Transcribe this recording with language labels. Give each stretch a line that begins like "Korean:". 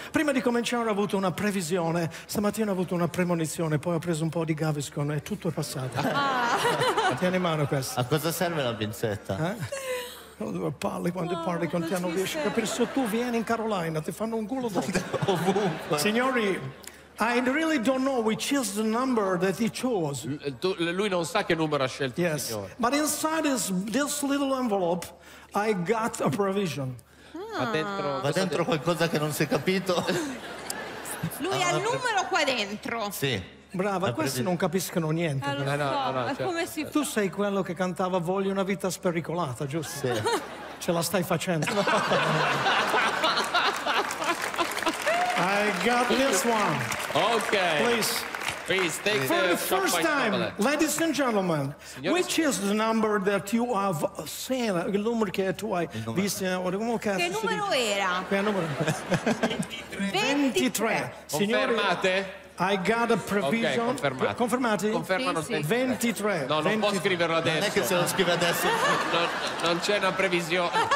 Italian: Prima di cominciare ho avuto una previsione. Stamattina ho avuto una premonizione. Poi ho preso un po' di Gaviscon e tutto è passato. Tieni in mano questa. A cosa serve la pinzetta? Due palle quando parli con te. Non riesci a capire. Se tu vieni in Carolina ti fanno un culo ovunque.
English: Signori, I really don't know which is the number that he chose.
Italian: Lui non sa che numero ha scelto,
English: yes.
Italian: Signore.
English: But inside this little envelope I got a provision.
Italian: Va dentro qualcosa che non si è capito. Lui ha il numero qua dentro. Sì. Brava, questi non capiscono niente. Allora, Come si fa? Tu sei quello che cantava Voglio una vita spericolata, giusto? Sì. Ce la stai facendo.
English: I got this one. Okay. Please. Take for the first time, ladies and gentlemen, which is the number that you have seen?
Italian: Il numero che tu hai visto? Che numero era? 23. 23. Confermate?
English: I got a provision.
Italian: Okay, confermate. Confermati? Confermano, sì, sì. 23. No, non 23. Può scriverlo adesso. Non è che se lo scrive adesso. non c'è una previsione.